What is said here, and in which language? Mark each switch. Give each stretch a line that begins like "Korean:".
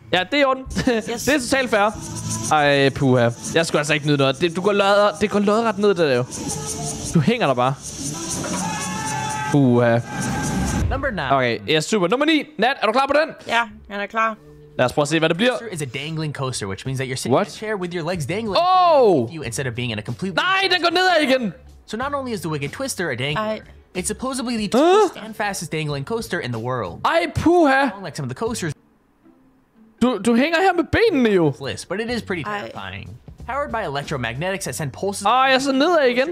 Danish: Ja, det er i orden. Yes. Det er totalt fair. Ej, puha. Jeg skulle altså ikke nyde noget. Det går lodret ned, det der jo. Du hænger der bare. Puha. Number 9. Okay, ja, super. Nummer 9. Nat, er du klar på den? Ja, jeg er klar. Lad os prøve at se, hvad det bliver.
English: Is a dangling coaster, which means that you're sitting in a chair with your legs dangling. Oh! Instead of being in a complete...
Danish: Nej, den går nedad igen!
English: So not only is the wicked twister a dangling... It's supposedly the tallest and fastest dangling coaster in the world.
Danish: Ej, puha!
English: Like some of the coasters.
Danish: Du hænger her med benene jo.
English: But it is pretty terrifying. Powered by electromagnetics that send pulses.
Danish: Ah, jeg sidder nedad igen.